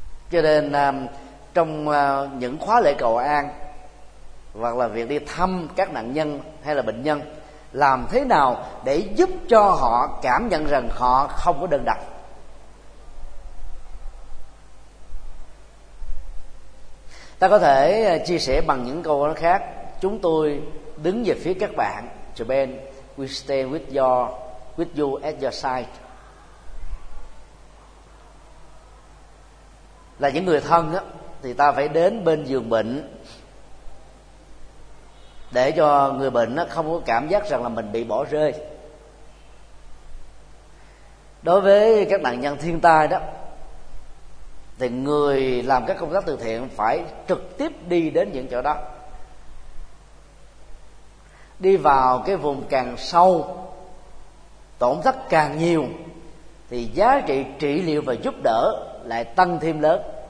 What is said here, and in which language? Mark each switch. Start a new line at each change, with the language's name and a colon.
Vietnamese: Cho nên trong những khóa lễ cầu an hoặc là việc đi thăm các nạn nhân hay là bệnh nhân, làm thế nào để giúp cho họ cảm nhận rằng họ không có đơn độc? Ta có thể chia sẻ bằng những câu nói khác: chúng tôi đứng về phía các bạn.
English: Japan, we stay with you at your side.
Vietnamese: Là những người thân á, thì ta phải đến bên giường bệnh để cho người bệnh á, không có cảm giác rằng là mình bị bỏ rơi. Đối với các nạn nhân thiên tai đó, thì người làm các công tác từ thiện phải trực tiếp đi đến những chỗ đó, đi vào cái vùng càng sâu, tổn thất càng nhiều thì giá trị trị liệu và giúp đỡ lại tăng thêm lớn.